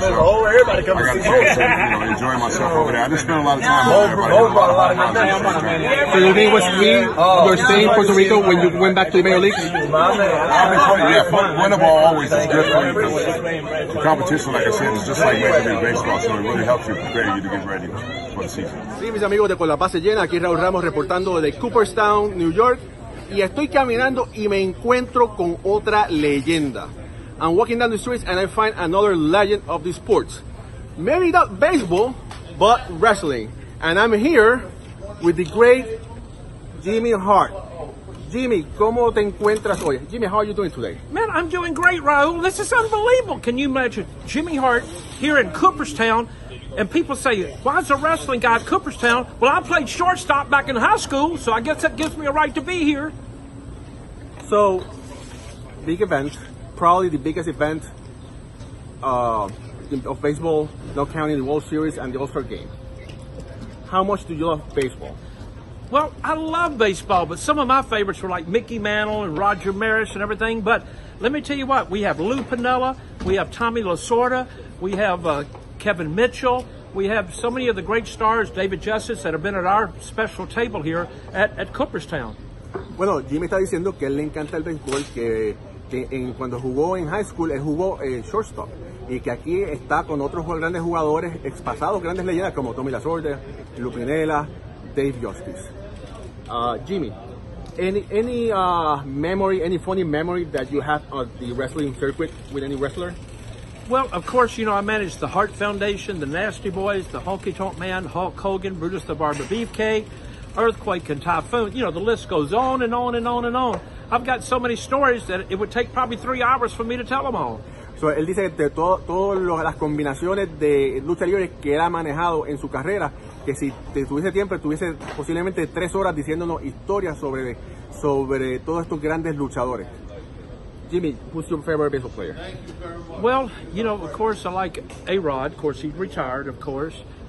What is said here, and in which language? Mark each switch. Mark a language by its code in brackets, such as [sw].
[en] So I got a chance to enjoy myself over there. I just spent a lot of time over there, but I had a lot of fun. So your name was Lee. You're staying in Puerto Rico when you went back to the major league? Winning ball always is good for you. The competition, like I said, is just like major league baseball, so it really helps you prepare you to get ready. [es] Sí, mis amigos de Con la Base Llena, aquí Raúl Ramos reportando de Cooperstown, New York, y estoy caminando y me encuentro con otra leyenda. [en] I'm walking down the streets and I find another legend of the sports. Maybe not baseball, but wrestling. And I'm here with the great Jimmy Hart. Jimmy, [es] ¿cómo te encuentras hoy? [en] Jimmy, how are you doing today? Man, I'm doing great, Raúl. This is unbelievable. Can you imagine Jimmy Hart here in Cooperstown? And people say, why is a wrestling guy at Cooperstown? Well, I played shortstop back in high school, so I guess that gives me a right to be here. So, big event, probably the biggest event of baseball, not counting the World Series and the All-Star Game. How much do you love baseball? Well, I love baseball, but some of my favorites were like Mickey Mantle and Roger Maris and everything. But let me tell you what, we have Lou Piniella, we have Tommy Lasorda, we have Kevin Mitchell. We have so many of the great stars, David Justice, that have been at our special table here at Cooperstown. [es] Bueno, Jimmy está diciendo que él le encanta el béisbol, que cuando jugó en high school, él jugó shortstop, y que aquí está con otros grandes jugadores, expasados, grandes leyendas, como Tommy Lasorda, Lou Piniella, Dave Justice. [en] Jimmy, any memory, any funny memory that you have on the wrestling circuit with any wrestler? Well, of course, you know, I managed the Hart Foundation, the Nasty Boys, the Honky Tonk Man, Hulk Hogan, Brutus the Barber Beefcake, Earthquake and Typhoon. You know, the list goes on and on and on and on. I've got so many stories that it would take probably 3 hours for me to tell them all. [es] So, él dice que de todas las combinaciones de lucha libre que él ha manejado en su carrera, que si te tuviese tiempo, tuviese posiblemente 3 horas diciéndonos historias sobre todos estos grandes luchadores. [en] Jimmy, who's your favorite baseball player? Thank you very much. Well, you know, of course, I like A-Rod. Of course, he's retired, of course.